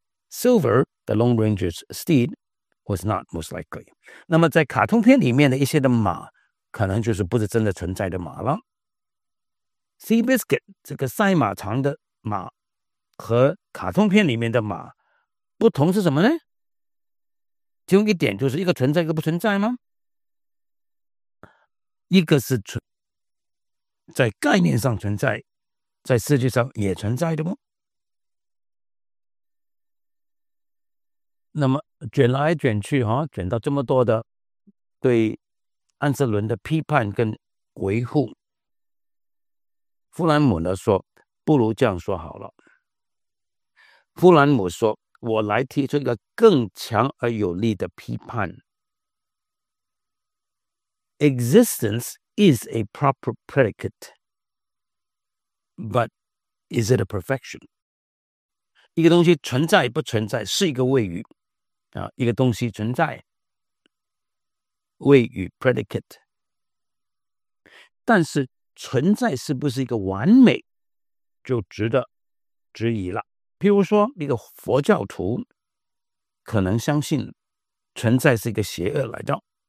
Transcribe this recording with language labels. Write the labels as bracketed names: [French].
[English] Silver, the Lone Ranger's steed, was not most likely. [Chinese] 那么在卡通片里面的一些的马可能就是不是真的存在的马了。 Seabiscuit, 这个赛马场的马和卡通片里面的马不同是什么呢？其中一点就是一个存在一个不存在吗？一个是在概念上存在，在世界上也存在的吗？那么卷来卷去，卷到这么多的对安瑟伦的批判跟维护，弗兰姆呢说，不如这样说好了。弗兰姆说，我来提出一个更强而有力的批判。 [English] Existence is a proper predicate, but is it a perfection? [Chinese] 一个东西存在不存在是一个谓语。一个东西存在谓语 predicate 但是存在是不是一个完美就值得质疑了譬如说一个佛教徒可能相信存在是一个邪恶来的